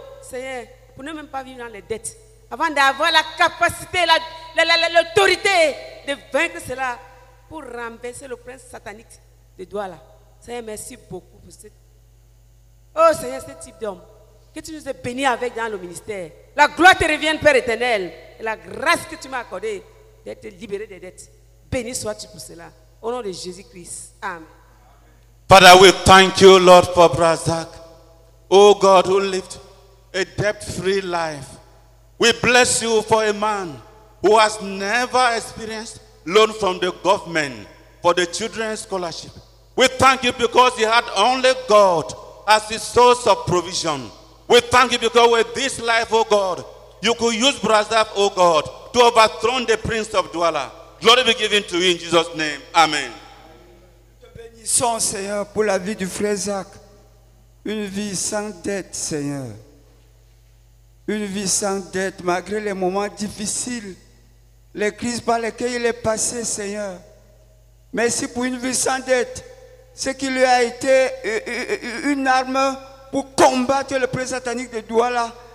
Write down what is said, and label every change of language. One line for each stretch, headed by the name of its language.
French: Seigneur, pour ne même pas vivre dans les dettes. Avant d'avoir la capacité, l'autorité de vaincre cela pour renverser le prince satanique de Douala. Seigneur, merci beaucoup pour ce. Oh Seigneur, ce type d'homme. Que tu nous aies bénis avec dans le ministère. La gloire te revienne, Père éternel. Et la grâce que tu m'as accordée d'être libéré des dettes. Béni sois-tu pour cela. Au nom de Jésus-Christ. Amen.
English: Father, we thank you, Lord, for Brother Zach. Oh God, who lived a debt-free life. We bless you for a man who has never experienced loan from the government for the children's scholarship. We thank you because he had only God as his source of provision. We thank you because with this life, oh God, you could use Brazab, oh God, to overthrow the prince of Douala. Glory be given to you in Jesus' name. Amen.
French: Nous te bénissons, Seigneur, pour la vie du frère Zach. Une vie sans dette, Seigneur. Une vie sans dette, malgré les moments difficiles, les crises par lesquelles il est passé, Seigneur. Merci pour une vie sans dette. Ce qui lui a été une arme pour combattre le prince satanique de Douala.